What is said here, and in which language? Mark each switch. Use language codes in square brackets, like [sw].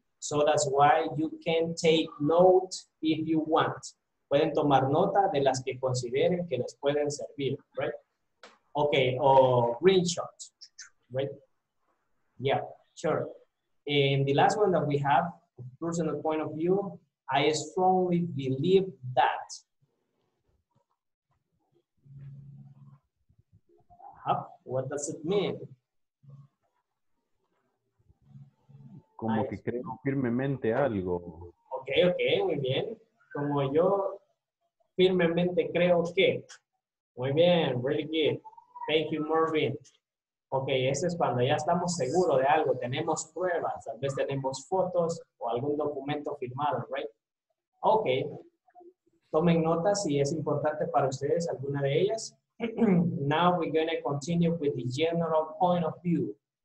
[en] So that's why you can take note if you want. [es] Pueden tomar nota de las que consideren que les pueden servir, right? [en] Okay, screenshot, right? Yeah, sure. And the last one that we have, personal point of view, I strongly believe that. What does it mean? [es] Como que creo firmemente algo. Okay, muy bien. Como yo firmemente creo que. Muy bien, [en] really good. Thank you, Marvin. [es] Ok, eso es cuando ya estamos seguros de algo. Tenemos pruebas. Tal vez tenemos fotos o algún documento firmado, right? Ok. Tomen notas si es importante para ustedes alguna de ellas. [en] Now we're going to continue with the general point of view.